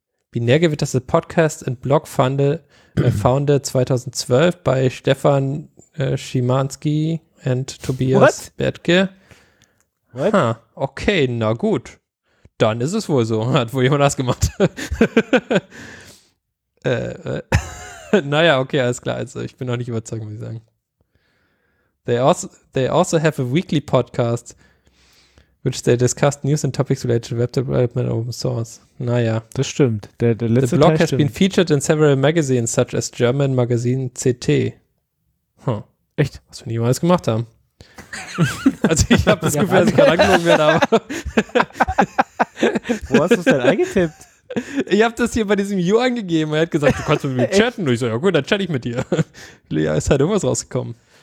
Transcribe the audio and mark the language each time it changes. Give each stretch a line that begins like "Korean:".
German: Binärgewitter ist ein Podcast und Blog founded 2012 bei Stefan Schimanski.
English: And Tobias What? Bertke. What? Ha,
German: okay, na gut. Dann ist es wohl so. Hat wohl jemand das gemacht. naja, okay, alles klar. Also ich bin noch nicht überzeugt, muss ich sagen.
English: They also have a weekly podcast, which they discuss news and topics related to web development and open source.
German: Naja. Das stimmt. Der letzte
English: the blog
German: Teil
English: has
German: stimmt.
English: been featured in several magazines, such as German Magazine CT. Huh.
German: Echt? Was wir niemals gemacht haben. Also ich habe das Gefühl, dass ich gerade angelogen werde, aber. Wo hast du es denn eingetippt? Ich habe das hier bei diesem You angegeben. Er hat gesagt, du kannst mit mir chatten. Und ich so, ja gut, dann chatte ich mit dir. Lea, ist halt irgendwas rausgekommen.